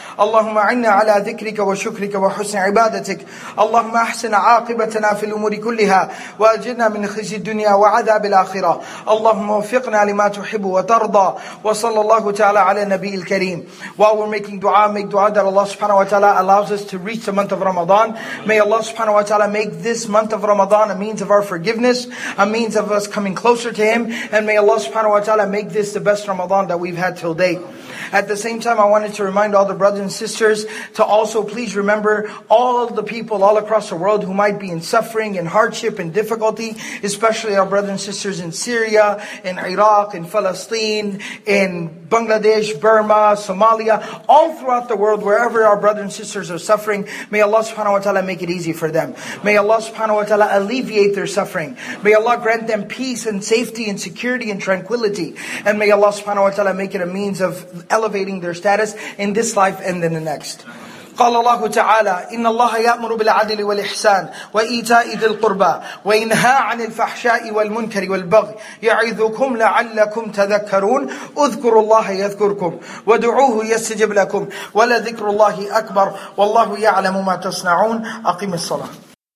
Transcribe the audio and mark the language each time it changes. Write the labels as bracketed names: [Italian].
[Arabic] اللهم عنا على ذكرك وشكرك وحسن عبادتك. اللهم أحسن عاقبتنا في الأمور كلها وأجرنا من خزي الدنيا وعذاب الآخرة. اللهم وفقنا لما تحب وترضى وصلى الله تعالى على النبي الكريم. [English] While we're making dua, make dua that Allah subhanahu wa ta'ala allows us to reach the month of Ramadan. May Allah subhanahu wa ta'ala make this month of Ramadan a means of our forgiveness, a means of us coming closer to Him, and may Allah subhanahu wa ta'ala make this the best Ramadan that we've had till date. At the same time, I wanted to remind all the brothers and sisters to also please remember all of the people all across the world who might be in suffering and hardship and difficulty, especially our brothers and sisters in Syria, in Iraq, in Palestine, in Bangladesh, Burma, Somalia, all throughout the world, wherever our brothers and sisters are suffering, may Allah subhanahu wa ta'ala make it easy for them. May Allah subhanahu wa ta'ala alleviate their suffering. May Allah grant them peace and safety and security and tranquility. And may Allah subhanahu wa ta'ala make it a means of elevating their status in this life and in the next. [Arabic] قال الله تعالى إن الله يأمر بالعدل والإحسان وإيتاء ذي القربى وينهى عن الفحشاء والمنكر والبغي يعظكم لعلكم تذكرون اذكروا الله يذكركم ودعوه يستجب لكم ولذكر الله أكبر والله يعلم ما تصنعون أقم الصلاة.